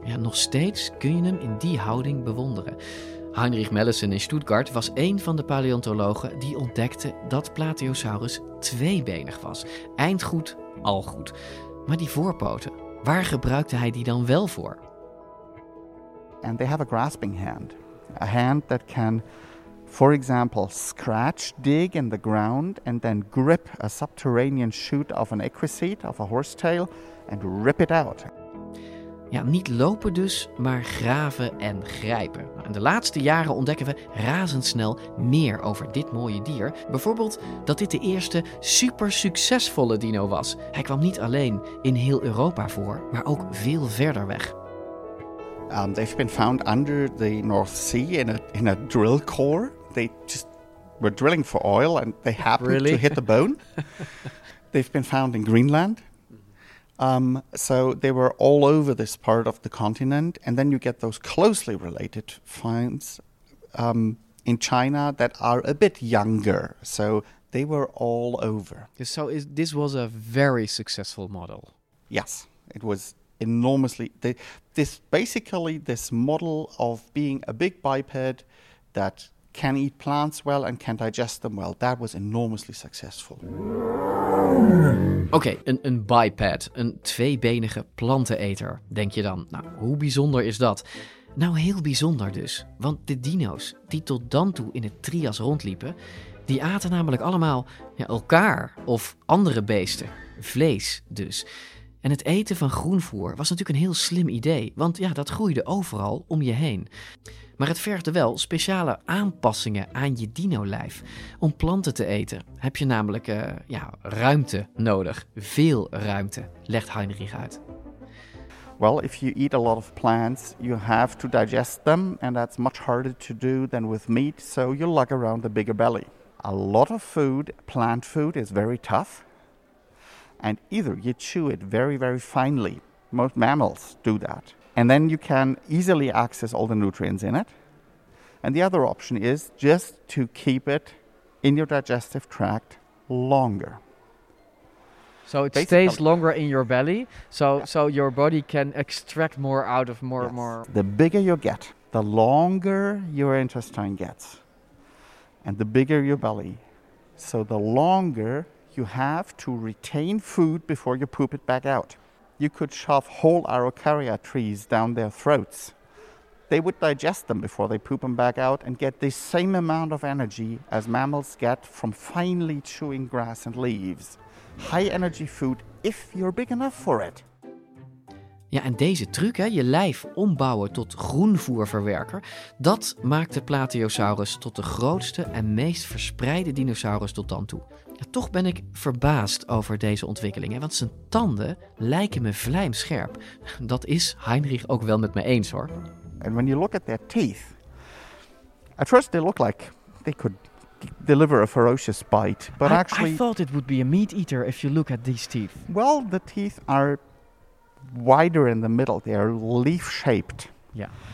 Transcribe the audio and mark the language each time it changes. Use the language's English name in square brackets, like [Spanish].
[Dutch] Ja, nog steeds kun je hem in die houding bewonderen. Heinrich Mellissen in Stuttgart was een van de paleontologen die ontdekte dat Plateosaurus tweebenig was. Eindgoed, al goed. Maar die voorpoten, waar gebruikte hij die dan wel voor? [English] And they have a grasping hand. A hand that can, for example, scratch, dig in the ground and then grip a subterranean shoot of an equisete, of a horsetail. And rip it out. [Dutch] Ja, niet lopen dus, maar graven en grijpen. In de laatste jaren ontdekken we razendsnel meer over dit mooie dier. Bijvoorbeeld dat dit de eerste super succesvolle dino was. Hij kwam niet alleen in heel Europa voor, maar ook veel verder weg. [English] They've been found under the North Sea in a drill core. They just were drilling for oil and they happened really? To hit the bone. They've been found in Greenland. So they were all over this part of the continent. And then you get those closely related finds in China that are a bit younger. So they were all over. So this was a very successful model. Yes, it was enormously. This model of being a big biped that can eat plants well and can digest them well, that was enormously successful. [Dutch] Oké, een biped, een tweebenige planteneter, denk je dan. Nou, hoe bijzonder is dat? Nou, heel bijzonder dus. Want de dino's die tot dan toe in het trias rondliepen, die aten namelijk allemaal elkaar of andere beesten. Vlees dus. En het eten van groenvoer was natuurlijk een heel slim idee. Want ja, dat groeide overal om je heen. Maar het vergde wel speciale aanpassingen aan je dino-lijf. Om planten te eten heb je namelijk ruimte nodig. Veel ruimte, legt Heinrich uit. [English] Well, if you eat a lot of plants, you have to digest them. And that's much harder to do than with meat. So you lug around a bigger belly. A lot of food, plant food, is very tough. And either you chew it very, very finely. Most mammals do that. And then you can easily access all the nutrients in it. And the other option is just to keep it in your digestive tract longer. So it basically stays longer in your belly, so your body can extract more out of more. Yes. More. The bigger you get, the longer your intestine gets. And the bigger your belly, so the longer you have to retain food before you poop it back out. You could shove whole araucaria trees down their throats. They would digest them before they poop them back out and get the same amount of energy as mammals get from finely chewing grass and leaves. High energy food if you're big enough for it. [Dutch] Ja, en deze truc, hè, je lijf ombouwen tot groenvoerverwerker, dat maakte Plateosaurus tot de grootste en meest verspreide dinosaurus tot dan toe. Ja, toch ben ik verbaasd over deze ontwikkeling, hè, want zijn tanden lijken me vlijmscherp. Dat is Heinrich ook wel met me eens, hoor. [English] And when you look at their teeth, at first they look like they could deliver a ferocious bite, but actually I thought it would be a meat eater if you look at these teeth. Well, the teeth are wider in the middle. They are leaf-shaped. Yeah.